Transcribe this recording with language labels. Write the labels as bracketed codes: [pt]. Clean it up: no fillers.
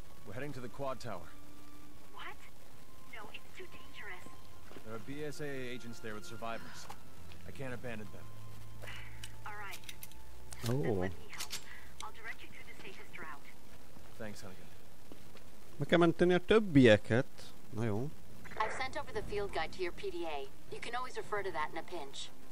[en] We're heading to the Quad Tower. What? No, it's too dangerous. There are BSAA agents there with survivors. I can't abandon them. All right. Oh. Then let me help. I'll direct you through the safest route. Thanks, Hunnigan. [hu] Meg kell menteni a többieket. Na jó. [en] I've sent over the field guide to your PDA. You can always refer to that in a pinch.